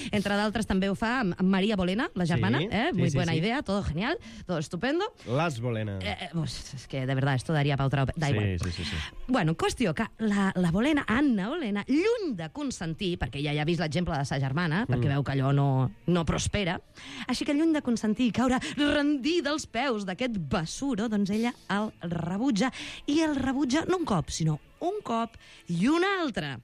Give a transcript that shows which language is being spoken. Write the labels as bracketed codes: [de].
[ca] Entre d'altres, també ho fa Maria Bolena, la germana. [es] Sí, muy buena idea, todo genial, todo estupendo. Las Bolena. Pues, es que, de verdad, esto daría pa otra... Da igual. Sí. [ca] Bueno, qüestió que la Bolena, Anna Bolena, lluny de consentir, perquè ja hi ha vist l'exemple de sa germana, perquè veu que allò no prospera, així que lluny de consentir i caure rendida als peus d'aquest basuro, doncs ella el rebutja, i el rebutja no un cop, sinó un cop i un altre.